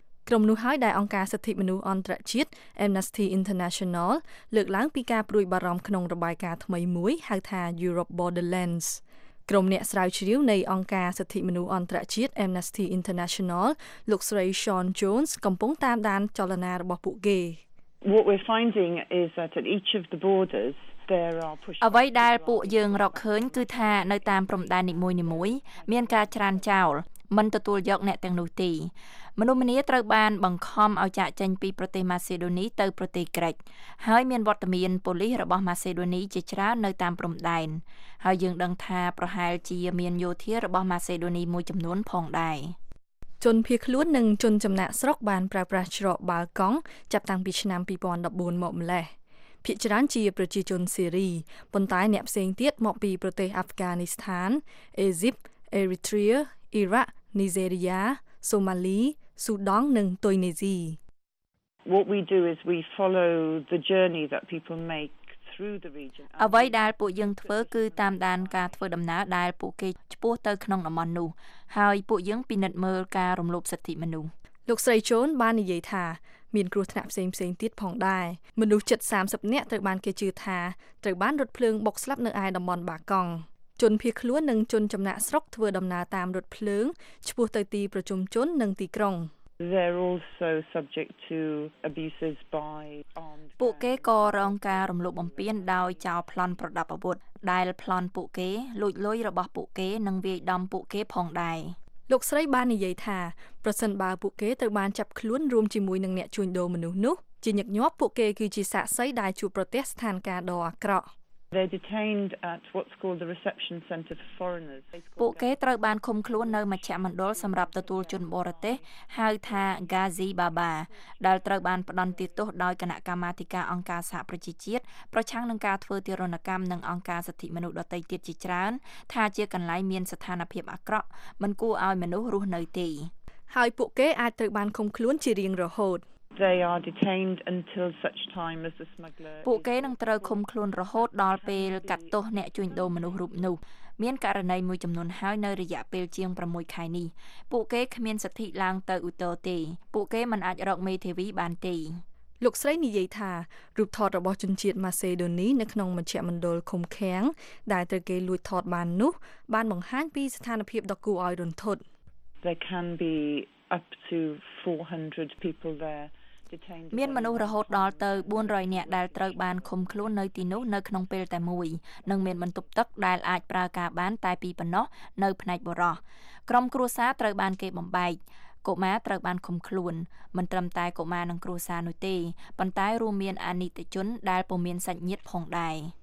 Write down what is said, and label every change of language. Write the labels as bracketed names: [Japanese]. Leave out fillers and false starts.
[Khmer] ក្រុមនោះហើយដែលអង្គការសិទ្ធិមនុស្សអន្តរជាតិ Amnesty International លើកឡើងពីការព្រួយបារម្ភក្នុងរបាយការណ៍ថ្មីមួយហៅថា Europe Borderlands ក្រុមអ្នកស្រាវជ្រាវនៃអង្គការសិទ្ធិមនុស្សអន្តរជាតិ Amnesty International លោកស្រី Sean Jones កំពុងតាមដានចលនារបស់ពួកគេ [English] What we're finding is that at each of the borders [Khmer] អ្វីដែលពួកយើងរកឃើញគឺថានៅតាមព្រំដែននីមួយៗមានការច្រានចោលមិនទទួលយកអ្នកទាំងនោះទេមនុស្សម្នាត្រូវបានបង្ខំឲ្យចាកចេញពីប្រទេសម៉ាសេដូនីទៅប្រទេសក្រិចហើយមានវត្តមានប៉ូលីសរបស់ម៉ាសេដូនីជាច្រើននៅតាមព្រំដែនហើយយើងដឹងថាប្រហែលជាមានយោធារបស់ម៉ាសេដូនីមួយចំនួនផងដែរ ជនភៀសខ្លួននិងជនចំណាក់ស្រុកបានប្រើប្រាស់ច្រកបាល់កង់ចាប់តាំងពីឆ្នាំ2014មកម្លេះ ភាគច្រើនជាប្រជាជនសេរីប៉ុន្តែអ្នកផ្សេងទៀតមកពីប្រទេសអាហ្វហ្គានីស្ថានអេស៊ីបអេរីត្រាអ៊ីរ៉ាក់នីជេរីយ៉ាសូម៉ាលីស៊ូដង់និងតុយនីស៊ី [English] What we do is we follow the journey that people make. [Khmer] អ្វីដែលពួកយើងធ្វើគឺតាមដានការធ្វើដំណើរដែលពួកគេឆ្ពោះទៅក្នុងតំបន់នោះហើយពួកយើងពិនិត្យមើលការរំលោភសិទ្ធិមនុស្ស លោកស្រីជូនបាននិយាយថាមានគ្រោះថ្នាក់ផ្សេងផ្សេងទៀតផងដែរមនុស្សជិត30នាក់ត្រូវបានគេជឿថាត្រូវបានរថភ្លើងបុកស្លាប់នៅឯតំបន់បាកង់ជនភៀសខ្លួននិងជនចំណាក់ស្រុកធ្វើដំណើរតាមរថភ្លើងឆ្ពោះទៅទីប្រជុំជននិងទីក្រុង [English] They're also subject to abuses by armed. [Khmer] ពួកគេក៏រងការរំលោភបំពានដោយចោរប្លន់ប្រដាប់អាវុធដែលប្លន់ពួកគេលួចលុយរបស់ពួកគេនិងវាយដំពួកគេផងដែរ លោកស្រីបាននិយាយថាប្រសិនបើពួកគេត្រូវបានចាប់ខ្លួនរួមជាមួយនឹងអ្នកជួញដូរមនុស្សនោះជាញឹកញាប់ពួកគេគឺជាសាក្សីដែលជួបប្រទះស្ថានភាពដ៏អាក្រក់ [English] They're detained at what's called the reception center for foreigners. [Khmer] ពួកគេត្រូវបានឃុំខ្លួននៅមជ្ឈមណ្ឌលសម្រាប់ទទួលជនបរទេសហៅថា Ghazi Baba ដែលត្រូវបានផ្ដន់ទោសដោយគណៈកម្មាធិការអង្គការសហប្រជាជាតិប្រឆាំងនឹងការធ្វើទារុណកម្មនឹងអង្គការសិទ្ធិមនុស្សដទៃទៀតជាច្រើនថាជាកន្លែងមានស្ថានភាពអាក្រក់មិនគួរឲ្យមនុស្សរស់នៅទេ ហើយពួកគេអាចត្រូវបានឃុំខ្លួនជារៀងរហូត [English] They are detained until such time as the smuggler. [Khmer] ពួកគេនឹងត្រូវឃុំខ្លួនរហូតដល់ពេលកាត់ទោសអ្នកជួញដូរមនុស្សរូបនោះមានករណីមួយចំនួនហើយនៅរយៈពេលជាង6ខែនេះពួកគេគ្មានសិទ្ធិឡើងទៅឧទ្ធរណ៍ទេពួកគេមិនអាចរកមេធាវីបានទេ លោកស្រីនិយាយថារូបថតរបស់ជនជាតិម៉ាសេដូនីនៅក្នុងមជ្ឈមណ្ឌលឃុំឃាំងដែលត្រូវគេលួចថតបាននោះបានបង្ហាញពីស្ថានភាពដ៏គួរឲ្យរន្ធត់ [English] There can be up to 400 people there [Khmer] មានមនុស្សរហូតដល់ទៅ400នាក់ដែលត្រូវបានឃុំខ្លួននៅទីនោះនៅក្នុងពេលតែមួយនិងមានបន្ទប់ទឹកដែលអាចប្រើការបានតែពីប៉ុណ្ណោះនៅផ្នែកបរោះក្រុមគ្រួសារត្រូវបានគេបំបែកកុមារត្រូវបានឃុំខ្លួនមិនត្រឹមតែកុមារនិងគ្រួសារនោះទេប៉ុន្តែរួមមានអនីតិជនដែលពុំមានសាច់ញាតិផងដែរ